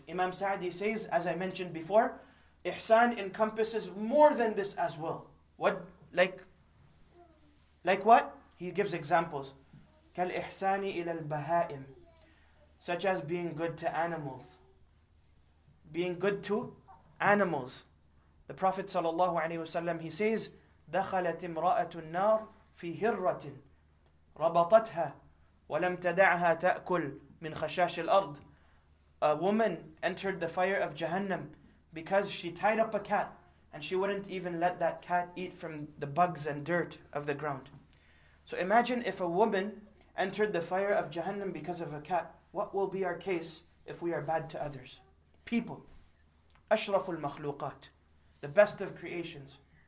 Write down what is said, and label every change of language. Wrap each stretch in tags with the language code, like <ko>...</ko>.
<en>Imam Sa'di says, as I mentioned before, ihsan encompasses more than this as well. What? Like what? He gives examples.</en> <ar>كَالْإِحْسَانِ إِلَى الْبَهَائِمِ.</ar> <en>Such as being good to animals. Being good to animals. The Prophet sallallahu alayhi wa sallam, he says,</en> <ar>دَخَلَتْ امْرَأَةُ النَّارِ فِي هِرَّةٍ رَبَطَتْهَا وَلَمْ تَدَعْهَا تَأْكُلْ مِنْ خَشَاشِ الْأَرْضِ.</ar> <en>A woman entered the fire of Jahannam because she tied up a cat and she wouldn't even let that cat eat from the bugs and dirt of the ground. So imagine if a woman entered the fire of Jahannam because of a cat. What will be our case if we are bad to others? People,</en> <ar>أَشْرَفُ الْمَخْلُوقَاتِ,</ar> <en>the best of creations.</en>